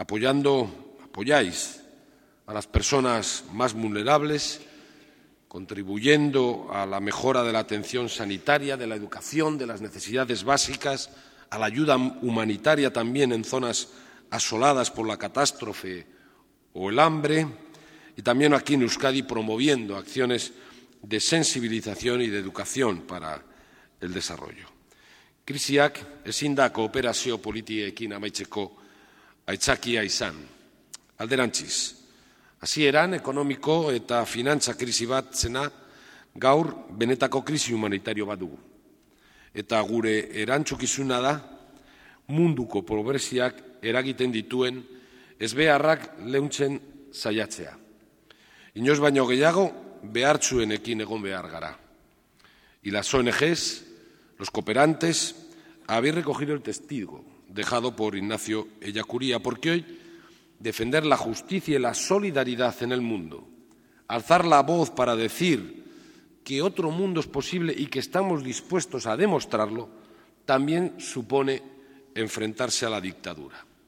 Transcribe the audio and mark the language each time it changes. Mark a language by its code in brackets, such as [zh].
[es] Apoyáis a las personas más vulnerables, contribuyendo a la mejora de la atención sanitaria, de la educación, de las necesidades básicas, a la ayuda humanitaria también en zonas asoladas por la catástrofe o el hambre, y también aquí en Euskadi promoviendo acciones de sensibilización y de educación para el desarrollo. [eu] Krisiak ezin da kooperazio politikekin amaitzeko aitzakia izan. Alderantziz, hasieran ekonomiko eta finantza krisi bat zena, gaur benetako krisi humanitario bat dugu. Eta gure erantzukizuna da munduko pobreziak eragiten dituen ezbeharrak leuntzen saiatzea. Inoiz baino gehiago behartzuenekin egon behar gara. [es] Y las ONGs, los cooperantes, habéis recogido el testigo dejado por Ignacio Ellacuría, porque hoy defender la justicia y la solidaridad en el mundo, alzar la voz para decir que otro mundo es posible y que estamos dispuestos a demostrarlo, también supone enfrentarse a la dictadura.